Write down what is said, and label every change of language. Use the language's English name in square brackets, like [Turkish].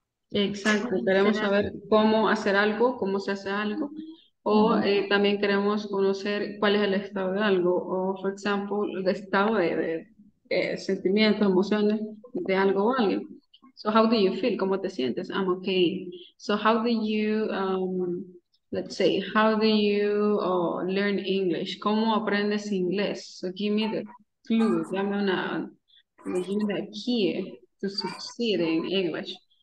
[Spanish] Exacto, queremos saber cómo hacer algo, cómo se hace algo. O también queremos conocer cuál es el estado de algo. O, por ejemplo, el estado de sentimientos, emociones de algo o alguien. [English] So how do you feel? [Spanish] ¿Cómo te sientes? [English] I'm okay. So how do you, let's say, how do you learn English? [Spanish] ¿Cómo aprendes inglés? [English] So give me the clue. [Spanish] Dame una ayuda aquí [English] to succeed in English.